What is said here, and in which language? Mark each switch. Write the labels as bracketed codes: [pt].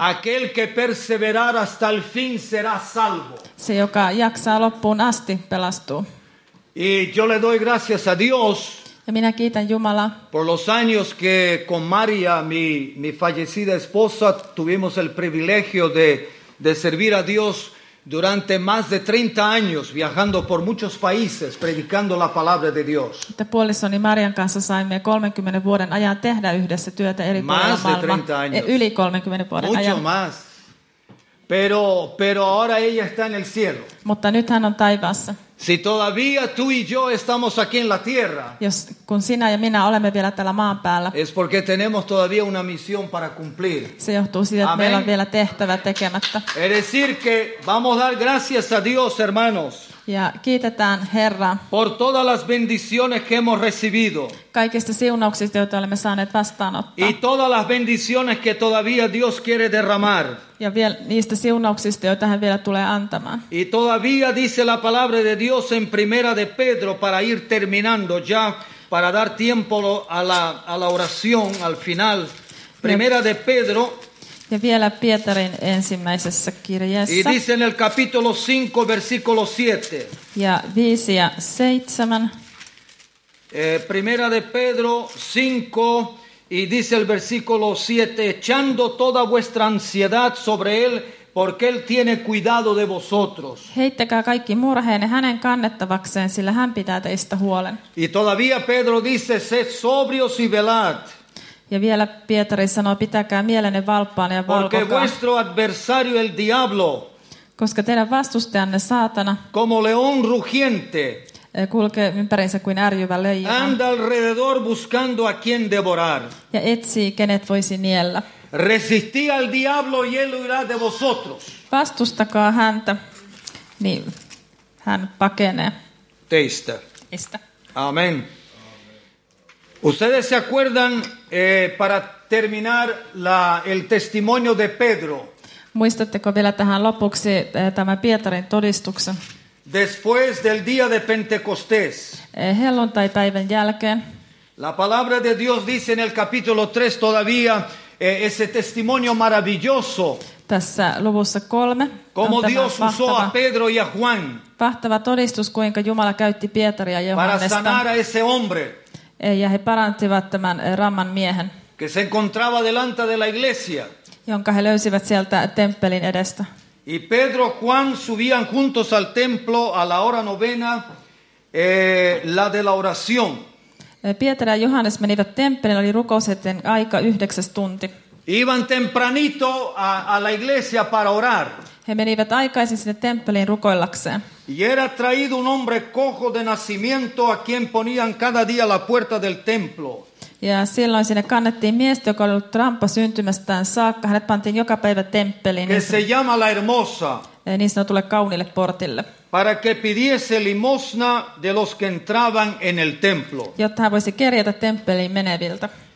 [es] Aquel que perseverar hasta el fin será salvo. [fi] Se, joka jaksaa loppuun asti, pelastuu. [es] Y yo le doy gracias a Dios. [fi] Ja minä kiitän Jumalaa. [es] Por los años que con María, mi fallecida esposa, tuvimos el privilegio de servir a Dios durante más de 30 años viajando por muchos países predicando la palabra de Dios. [fi] Te puolisoni Marian kanssa saimme 30 vuoden ajan tehdä yhdessä työtä eri puolilla maailmaa. Yli 30 vuoden [es] mucho [fi] ajan. [es] Mucho más. Pero ahora ella está en el cielo. [fi] Mutta nyt hän on taivaassa. [es] Si todavía tú y yo estamos aquí en la tierra. [fi] Jos, kun sinä ja minä olemme vielä tällä maan päällä. [es] Es porque tenemos todavía una misión para cumplir. [fi] Se johtuu siitä, että meillä on vielä tehtävä tekemättä. [es] Es decir que vamos a dar gracias a Dios, hermanos. [fi] Ja kiitetään Herra. [es] Por todas las bendiciones que hemos recibido. [fi] Kaikista siunauksista, joita olemme saaneet vastaanottaa. [es] Y todas las bendiciones que todavía Dios quiere derramar. [fi] Ja vielä niistä siunauksista, joita hän vielä tulee antamaan. [es] Y todavía dice la palabra de Dios en primera de Pedro para ir terminando ya, para dar tiempo a la oración al final. Primera de Pedro. [fi] Ja vielä Pietarin ensimmäisessä kirjeessä. [es] Y dice en el capítulo 5, versículo 7. [fi] Ja 5 ja 7. [es] Primera de Pedro 5, y dice el versículo 7, echando toda vuestra ansiedad sobre él, porque él tiene cuidado de vosotros. [fi] Heittäkää kaikki murheenne hänen kannettavakseen, sillä hän pitää teistä huolen. [es] Y todavía Pedro dice, sed sobrios y velad. [fi] Ja vielä Pietari sanoo, pitäkää mielenne valppaana ja valvokaa. [es] Porque vuestro adversario el diablo. [fi] Koska teidän vastustajanne saatana. [es] Como león rugiente. [fi] Kulkee ympärinsä kuin ärjyvä leijona. [es] Anda alrededor buscando a quien devorar. [fi] Ja etsii, kenet voisi niellä. [es] Resistí al diablo y él huirá de vosotros. [fi] Vastustakaa häntä, niin hän pakenee. Teistä. Istä. Amen. [es] Ustedes se acuerdan, para terminar, el testimonio de Pedro. [fi] Muistatteko vielä tähän lopuksi tämän Pietarin todistuksen? [es] Después del día de Pentecostés. [fi] Helluntaipäivän jälkeen. [es] La palabra de Dios dice en el capítulo 3 todavía ese testimonio maravilloso. [fi] Tässä luvussa 3. [es] Como Dios usó a Pedro y a Juan. [fi] Vahtava todistus, kuinka Jumala käytti Pietaria ja Johannesta. [es] Para sanar a ese hombre. [fi] Ja he parantivat tämän ramman miehen. [es] Que se encontraba delante de la iglesia. [fi] Jonka he löysivät sieltä temppelin edestä. [es] Y Pedro Juan subían juntos al templo a la hora novena, la de la oración. [fi] Pietari ja Johannes menivät temppeliin, oli rukousten aika 9 tunti. [es] Iban tempranito a la iglesia para orar. [fi] He menivät aikaisin sinne temppeliin rukoillakseen. [es] Y era traído un hombre cojo de nacimiento a quien ponían cada día la puerta del templo. [fi] Ja silloin sinne kannettiin miestä, joka oli ollut trampa syntymästään saakka. Hänet pantiin joka päivä temppeliin. [es] Que se llama la hermosa. [fi] Niin sanotulle kauniille portille. [es] Para que pidiese limosna de los que entraban en el templo. [fi] Jotta hän voisi kerjätä temppeliin meneviltä.